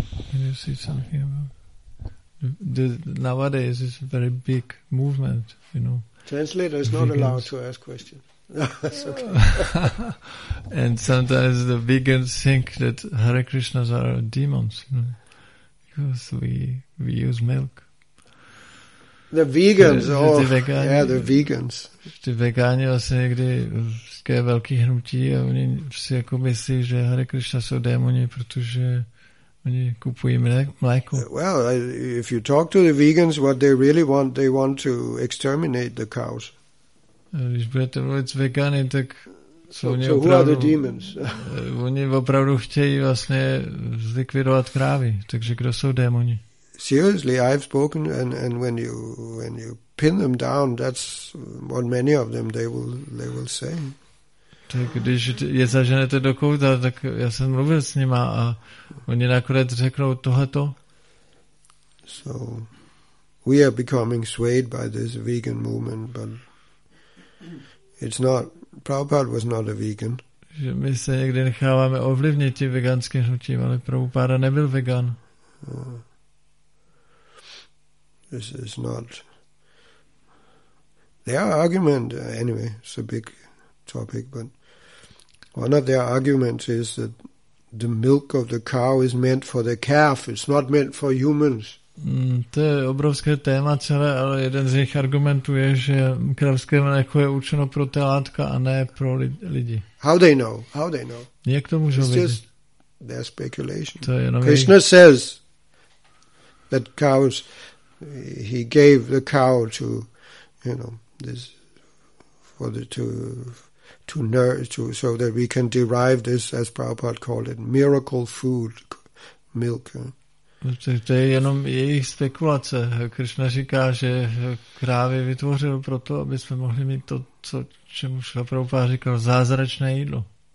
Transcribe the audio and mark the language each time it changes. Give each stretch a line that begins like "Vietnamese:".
English: Can you see something about nowadays is a very big movement, you know. Translator is not allowed to ask questions. <It's okay. laughs> And sometimes the vegans think that Hare Krishnas are demons, you know, because we use milk. The vegans, the vegans.
Czech: Ty vegáni vlastně někdy je velký hnutí a oni si jako myslí, že Hare Krishna jsou démoni, protože oni kupují mléko.
English: Well, if you talk to the vegans, what they really want, they want to exterminate the cows.
Czech: Když budete mluvit s vegany, tak
English: so
Czech: opravdu,
English: who are the demons?
Czech: Oni opravdu chtějí vlastně zlikvidovat krávy, takže kdo jsou démoni?
English: Seriously, I've spoken, and when you pin them down, that's what many of them they will say.
Czech: Tak když je zaženete do kouta, tak já jsem mluvil s nima a oni nakonec řeknou tohleto.
English: So we are becoming swayed by this vegan movement, but it's not. Prabhupada was not a vegan.
Czech: Že my se někdy necháváme ovlivnit tím veganským hnutím, ale Prabhupada nebyl vegan.
English: This is not. Their argument, anyway, it's a big topic, but one of their arguments is that the milk of the cow is meant for the calf. It's not meant for humans.
Czech: To je obrovské téma celé, ale jeden z jejich argumentů je, že kravské mléko je určeno pro telátka a ne pro lidi.
English: How they know?
Czech: Jak to můžou vidět?
English: It's just their speculation. Krishna says that cows, he gave the cow to, you know, this for the so that we can derive this, as Prabhupada called it, miracle food, milk.
Czech: To je jenom jejich spekulace. Krishna říká, že krávy vytvořil proto, aby jsme mohli mít to, co čemu Šrila Prabhupáda říkal, zázračné jídlo.